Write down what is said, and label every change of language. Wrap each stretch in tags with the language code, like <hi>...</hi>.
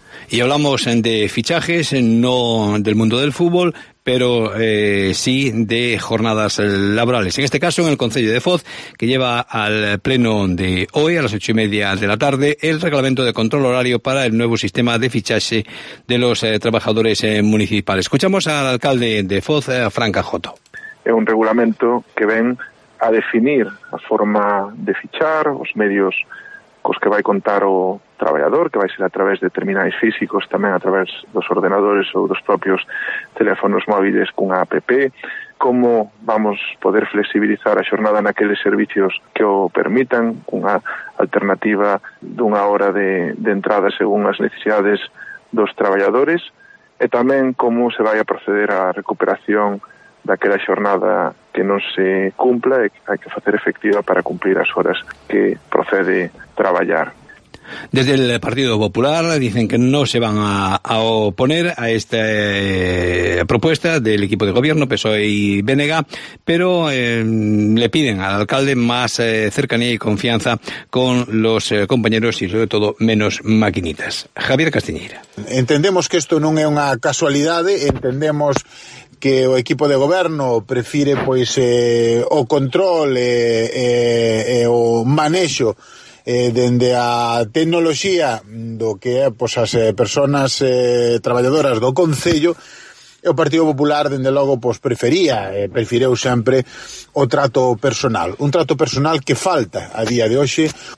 <es>Y hablamos de fichajes, no del mundo del fútbol, pero sí de jornadas laborales. En este caso, en el Concello de Foz, que lleva al pleno de hoy, a las 8:30 de la tarde, el reglamento de control horario para el nuevo sistema de fichaje de los trabajadores municipales. Escuchamos al alcalde de Foz, Fran Cajoto.</es> <gl>Es un reglamento que ven a definir la forma de fichar, los medios cos que vai contar o traballador, que vai ser a través de terminais físicos, tamén a través dos ordenadores ou dos propios teléfonos móviles cunha app, como vamos poder flexibilizar a xornada naqueles servicios que o permitan, cunha alternativa dunha hora de entrada según as necesidades dos traballadores, e tamén como se vai a proceder á recuperación daquela xornada que non se cumpla e que hai que facer efectiva para cumplir as horas que procede traballar.</gl> <es>Desde el Partido Popular dicen que no se van a oponer a esta propuesta del equipo de gobierno, PSOE y BNG, pero le piden al alcalde más cercanía y confianza con los compañeros y sobre todo menos maquinitas. Javier Castiñeira.</es> <gl>Entendemos que esto non é unha casualidade, entendemos que o equipo de goberno prefire pois o control e o manexo dende a tecnoloxía do que é pois as persoas traballadoras do concello, e o Partido Popular dende logo pois prefería prefireu sempre o trato personal, un trato personal que falta a día de hoxe.</gl>